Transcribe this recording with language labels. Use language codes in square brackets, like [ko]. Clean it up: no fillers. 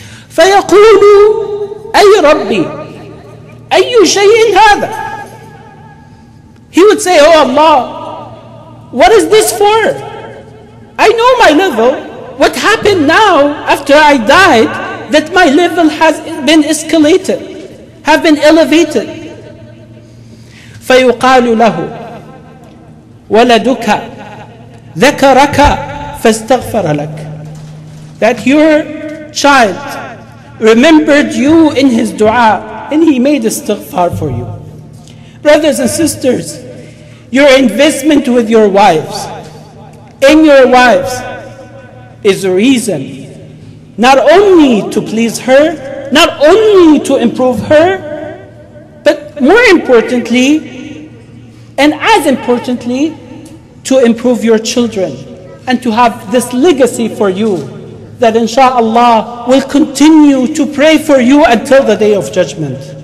[ar] فيقول أي ربي أي شيء هذا. [en] He would say, "Oh Allah, what is this for? I know my level. What happened now after I died that my level has been escalated, have been elevated?" [ar] فيقال له ولدك ذكرك فاستغفر لك. [en] That your child remembered you in his dua, and he made istighfar for you. Brothers and sisters, your investment with your wives, in your wives, is a reason not only to please her, not only to improve her, but more importantly, and as importantly, to improve your children, and to have this legacy for you, that inshallah will continue to pray for you until the day of judgment.